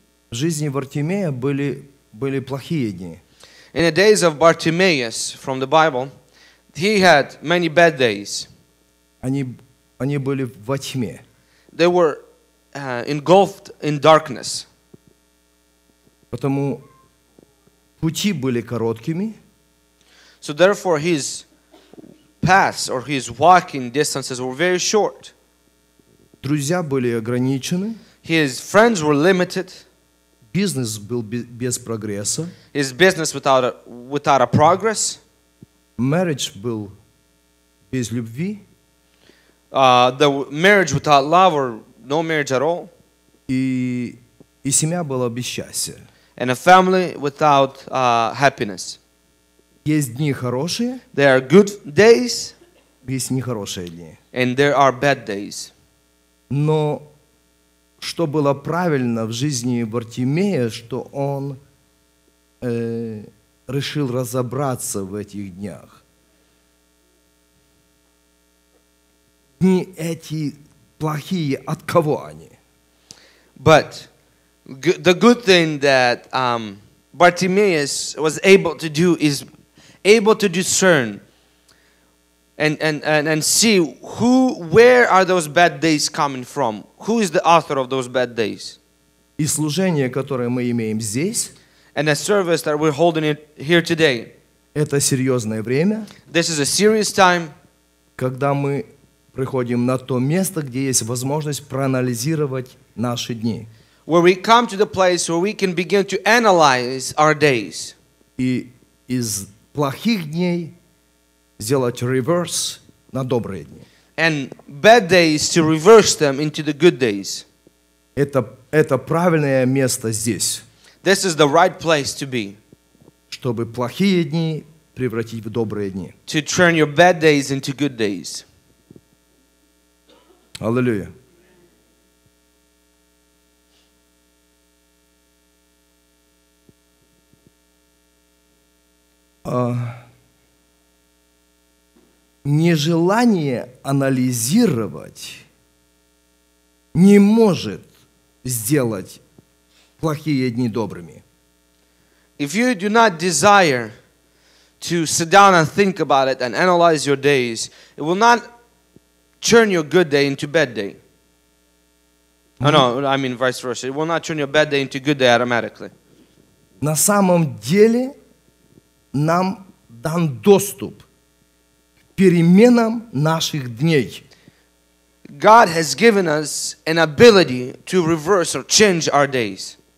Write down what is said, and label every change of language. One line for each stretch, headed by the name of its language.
Russian: В жизни Бартимея были плохие дни.
English: In the days of Bartimaeus from the Bible, he had many bad days.
Russian: Они были во тьме.
English: They were engulfed in darkness.
Russian: Потому пути были короткими.
English: So therefore his paths or his walking distances were very short.
Russian: Друзья были ограничены.
English: His friends were limited.
Russian: Бизнес был без прогресса.
English: His business without a progress.
Russian: Marriage был без любви.
English: The marriage without love or no marriage at all.
Russian: И семья была без счастья.
English: And a family without happiness.
Russian: Есть дни хорошие.
English: There are good days.
Russian: Есть нехорошие дни.
English: And there are bad days.
Russian: Но что было правильно в жизни Бартимея, что он решил разобраться в этих днях. Дни эти плохие, от кого они?
English: But the good thing that Bartimaeus was able to do is able to discern and see where are those bad days coming from. Who is the author of those bad days?
Russian: И служение, которое мы имеем здесь,
English: and the service that we're holding it here today.
Russian: Это серьезное время.
English: This is a serious time.
Russian: Когда мы приходим на то место, где есть возможность проанализировать наши дни.
English: Where we come to the place where we can begin to analyze our days.
Russian: И из плохих дней сделать reverse на добрые дни.
English: And bad days to reverse them into the good days.
Russian: Это правильное место здесь.
English: This is the right place to be.
Russian: Чтобы плохие дни превратить в добрые дни.
English: To turn your bad days into good days.
Russian: Аллилуйя. Нежелание анализировать не может сделать плохие дни добрыми.
English: If you do not desire to sit down and think about it and analyze your days, it will not turn your good day into bad day. Vice versa. It will not turn your bad day into good day automatically.
Russian: На самом деле нам дан доступ к переменам наших дней.
English: God has given us an ability to reverse or change our days.